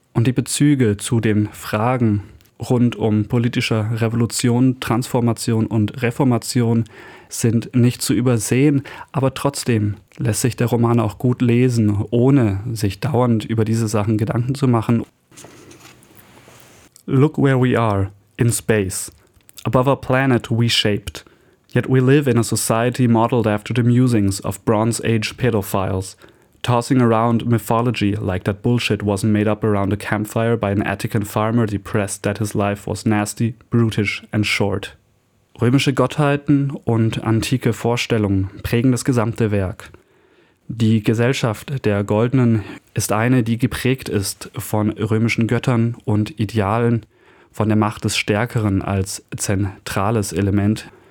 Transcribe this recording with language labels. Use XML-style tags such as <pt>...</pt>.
<de>Und die Bezüge zu den Fragen rund um politischer Revolution, Transformation und Reformation sind nicht zu übersehen, aber trotzdem lässt sich der Roman auch gut lesen, ohne sich dauernd über diese Sachen Gedanken zu machen.</de> <en>Look where we are, in space. Above a planet we shaped. Yet we live in a society modeled after the musings of Bronze Age pedophiles, tossing around mythology like that bullshit wasn't made up around a campfire by an Attican farmer depressed that his life was nasty, brutish and short.</en> <de>Römische Gottheiten und antike Vorstellungen prägen das gesamte Werk. Die Gesellschaft der Goldenen ist eine, die geprägt ist von römischen Göttern und Idealen, von der Macht des Stärkeren als zentrales Element.</de>